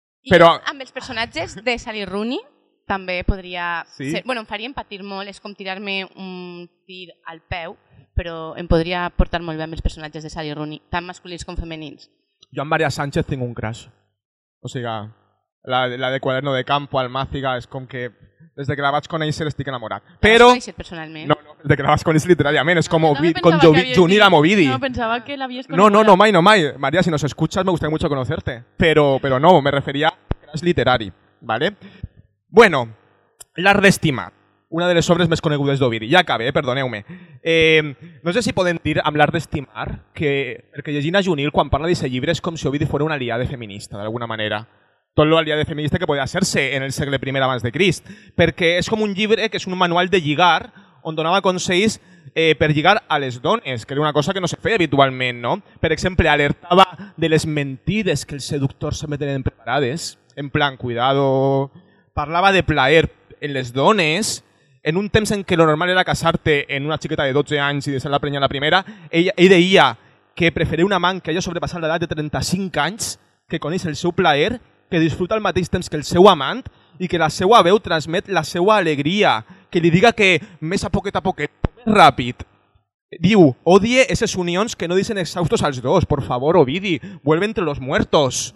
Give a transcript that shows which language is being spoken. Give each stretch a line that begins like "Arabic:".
Catalan: Però amb els personatges de Sally Rooney també podria ser, bueno, em faria patir molt, és com tirar-me un tir al peu, però em podria portar molt bé amb els personatges de Sally Rooney, tant masculins com femenins. Jo amb Maria Sánchez tinc un crush. O sigui, la de Cuaderno de Campo, Almàciga, és com que des de que la vaig conèixer estic enamorat. Però no, personalment. No, des de que la vaig conèixer literàriament, és com con Junil a Movidi. No, pensava que l'havies conegut. No, mai.
Spanish: Maria, si nos escuchas, me gustaría mucho conocerte. Pero no, me refería a crush literari, ¿vale?
Catalan: Bueno, L'art d'estimar, una de les obres més conegudes d'Ovidi. Ja acabe, perdoneu-me. No sé si podem dir amb L'art d'estimar que, perquè llegint a Junil, quan parla d'aquest llibre, és com si Ovidi fos una aliada feminista, d'alguna manera. Tot l'aliada feminista que podia ser-se en el segle I abans de Crist. Perquè és com un llibre que és un manual de lligar, on donava consells per lligar a les dones, que era una cosa que no se feia habitualment, no? Per exemple, alertava de les mentides que els seductors se meten preparades, en plan, cuidado. Parlava de plaer en les dones, en un temps en què lo normal era casar-te en una xiqueta de 12 anys i deixar la prenya la primera, ell deia que preferia un amant que hagi sobrepassat l'edat de 35 anys, que coneix el seu plaer, que disfruta al mateix temps que el seu amant i que la seva veu transmet la seva alegria, que li diga que més a poquet, més ràpid.
Spanish: Diu, odie esas unions que no dicen exhaustos als dos, por favor, Ovidi, vuelve entre los muertos.